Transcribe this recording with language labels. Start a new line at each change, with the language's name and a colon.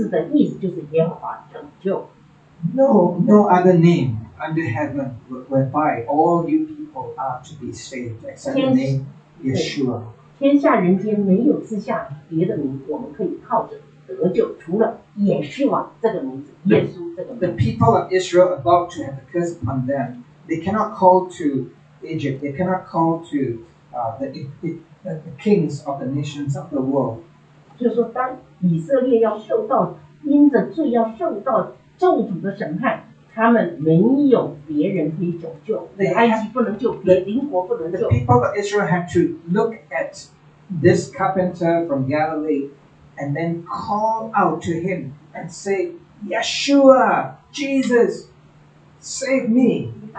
Chinese: 那耶稣怎么来救这些百姓？就是把他们救到他的名字之下。那个名字的意思就是耶和华拯救。
English: No other name under heaven whereby all you people are to be saved except the name Yeshua.
Chinese: 天下人间没有赐下别的名，我们可以靠着得救，除了耶稣这个名字。耶稣这个名字。
English: The people of Israel are about to have a curse upon them. They cannot call to Egypt. They cannot call to the kings of the nations of the world.
Chinese: 就是说，当以色列要受到因着罪要受到咒诅的审判。他们没有别人可以拯救，埃及不能救，别邻国不能救。
English: The people of Israel had to look at this carpenter from Galilee and then call out to him and say, Yeshua, Jesus, save me.